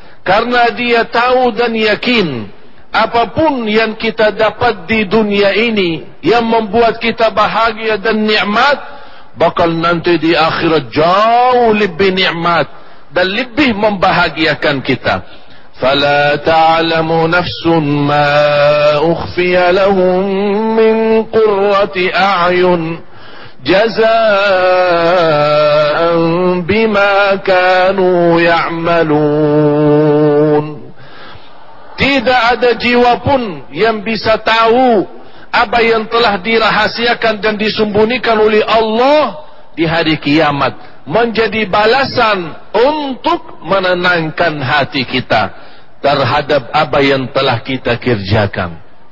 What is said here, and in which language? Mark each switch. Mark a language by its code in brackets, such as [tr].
[id] Karena dia tahu dan yakin, apapun yang kita dapat di dunia ini yang membuat kita bahagia dan nikmat, bakal nanti di akhirat jauh lebih nikmat dan lebih membahagiakan kita. [ar] فلا تعلم نفس ما أخفي لهم من قرة أعين جزاء بما كانوا يعملون. [id] Tidak ada jiwa pun yang bisa tahu apa yang telah dirahasiakan dan disembunyikan oleh Allah di hari kiamat menjadi balasan untuk menenangkan hati kita terhadap apa yang telah kita kerjakan.